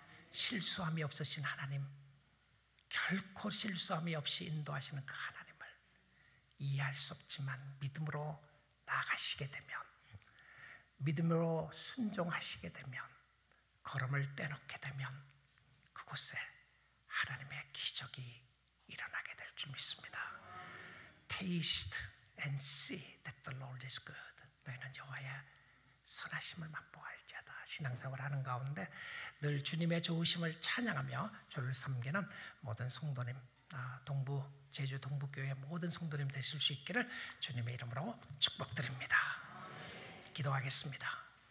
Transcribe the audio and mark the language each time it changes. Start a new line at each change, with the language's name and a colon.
Korean: 실수함이 없으신 하나님, 결코 실수함이 없이 인도하시는 그 하나님을 이해할 수 없지만 믿음으로 나아가시게 되면, 믿음으로 순종하시게 되면, 걸음을 떼놓게 되면 그곳에 하나님의 기적이 일어나게 될 줄 믿습니다.
English: Taste and see that the Lord is good.
Korean: 너희는 여호와의 선하심을 맛보할지어다. 신앙생활 하는 가운데 늘 주님의 좋으심을 찬양하며 주를 섬기는 모든 성도님, 동부 제주 동부교회 모든 성도님 되실 수 있기를 주님의 이름으로 축복드립니다. 기도하겠습니다.